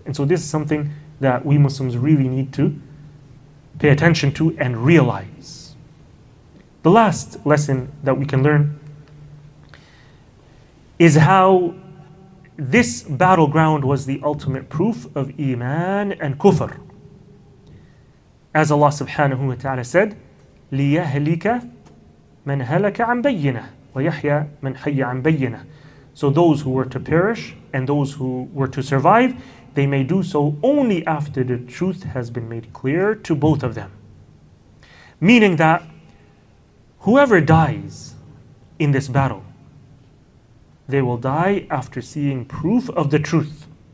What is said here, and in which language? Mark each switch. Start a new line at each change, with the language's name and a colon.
English: And so this is something that we Muslims really need to pay attention to and realize. The last lesson that we can learn is how this battleground was the ultimate proof of Iman and Kufr. As Allah subhanahu wa ta'ala said,
Arabic: لِيَهْلِكَ مَنْ هَلَكَ عَنْ بَيِّنَةٍ وَيَحْيَى مَنْ حَيَّ عَنْ بَيِّنَةٍ.
English: So those who were to perish and those who were to survive, they may do so only after the truth has been made clear to both of them. Meaning that whoever dies in this battle, they will die after seeing proof of the truth.